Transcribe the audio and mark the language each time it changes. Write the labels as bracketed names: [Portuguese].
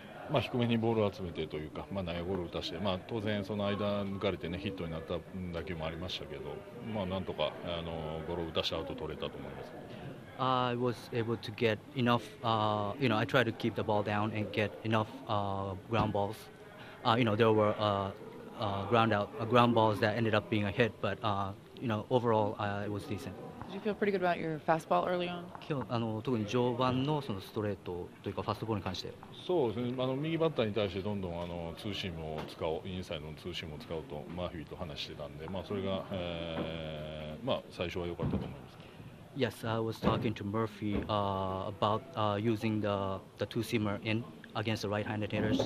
[Japanese] まあ、低めにボールを集めてというか、まあ、内野ゴールを打たせて、まあ、当然その間抜かれて、ね、ヒットになった打球もありましたけど、まあ、なんとかゴロを打たせたアウト取れたと思います。 [English] I was able to get enough, you know, I tried to keep the ball down and get enough ground balls. You know, there were ground balls that ended up being a hit, but you know, overall it was decent. Did you feel pretty good about your fastball early on? [Japanese] 今日特に序盤 そのストレートというかファストボールに関して。そうですね。右バッターに対してどんどんツーシームを使おう、インサイドのツーシームを使うとマーフィーと話してたんで、まあそれが、まあ最初は良かったと思います。 [English] Yes, I was talking to Murphy about using the two seamer in against the right-handed hitters.